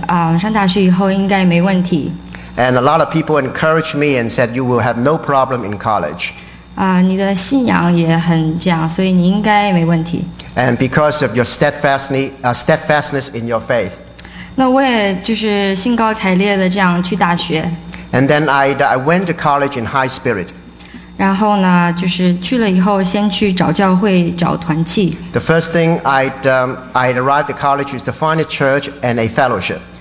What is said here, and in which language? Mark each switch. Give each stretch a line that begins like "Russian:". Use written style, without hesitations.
Chinese: 走的时候还有很多人跟我说，你上大学以后应该没问题。
English: And a lot of people encouraged me and said you will have no problem in college.
Chinese: 你的信仰也很这样，所以你应该没问题。
English: And because of your steadfastness in your faith.
Chinese: 那我也就是兴高采烈的这样去大学。
English: And then I went to college in high spirit.
Chinese: 然后呢，就是去了以后，先去找教会，找团契。
English: The first thing I'd arrived at college is to find a church and a fellowship.